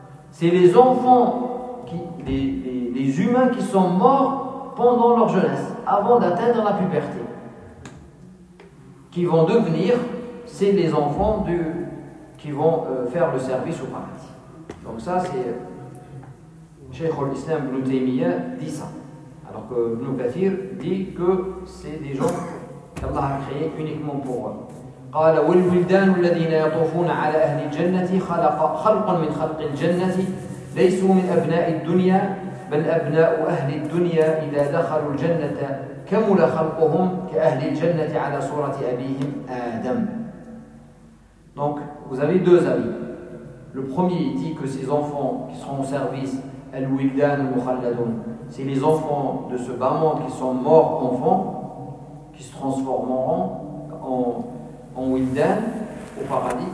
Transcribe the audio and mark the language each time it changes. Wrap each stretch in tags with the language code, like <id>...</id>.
<fr>C'est les enfants, les humains qui sont morts pendant leur jeunesse, avant d'atteindre la puberté, qui vont devenir, c'est les enfants qui vont faire le service au paradis. Donc ça, c'est Cheikh al-Islam Ibn Taymiyyah dit ça. Alors que Ibn Kathir dit que c'est des gens qu'Allah a créés uniquement pour eux.</fr> <ar>قال والولدان الذين يطوفون على أهل الجنة خلقا من خلق الجنة ليسوا من أبناء الدنيا بل أبناء أهل الدنيا إذا دخلوا الجنة كمل خلقهم كأهل الجنة على صورة أبيهم آدم.</ar> <fr>Donc vous avez deux avis. Le premier dit que ces enfants qui seront au service, الولدان المخلدون, c'est les enfants de ce bas monde qui sont morts enfants, qui se transformeront en Wildan, au paradis.</fr>